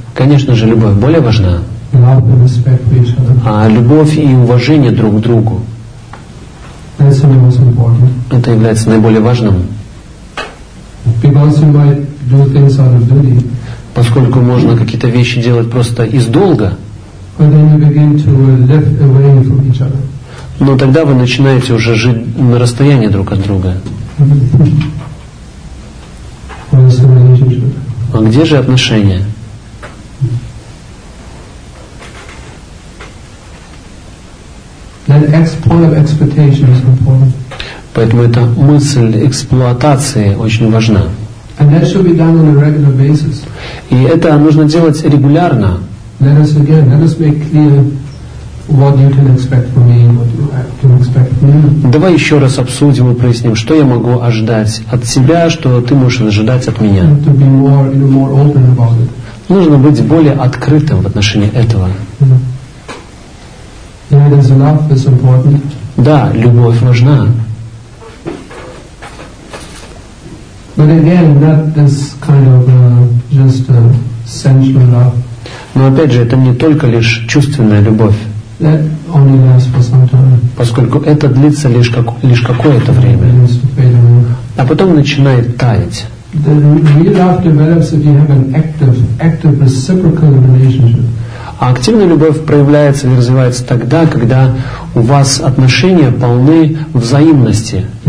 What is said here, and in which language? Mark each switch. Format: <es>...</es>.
<ru>Конечно же, любовь более важна.</ru> <en>Love and respect for each other.</en> <ru>А любовь и уважение друг к другу.</ru> <en>That's the most important.</en> <ru>Это является наиболее важным.</ru> <en>Because you might do things out of duty.</en> <ru>Поскольку можно какие-то вещи делать просто из долга.</ru> <en>But then you begin to live away from each other.</en> <ru>Но тогда вы начинаете уже жить на расстоянии друг от друга.</ru> <en>Where's the relationship?</en> <ru>А где же отношения?</ru> <en>That point of expectation is important.</en> <ru>Поэтому эта мысль эксплуатации очень важна.</ru> <en>And that should be done on a regular basis.</en> <ru>И это нужно делать регулярно.</ru> <en>Let us again, let us make clear what you can expect from me and what you can expect from me.</en> <ru>Давай еще раз обсудим и проясним, что я могу ожидать от себя, что ты можешь ожидать от меня.</ru> <en>To be more, you know, more open about it.</en> <ru>Нужно быть более открытым в отношении этого.</ru> <en>Yeah, there's enough, it's important.</en> <ru>Да, любовь важна.</ru> <en>But again, not this kind of just sensual love.</en> <ru>Но опять же, это не только лишь чувственная любовь.</ru> <en>That only lasts for some time.</en> <ru>Поскольку это длится лишь какое-то время. А потом начинает таять.</ru> <en>The real love develops if you have an active reciprocal relationship.</en> <ru>А активная любовь проявляется и развивается тогда, когда у вас отношения полны взаимности.</ru>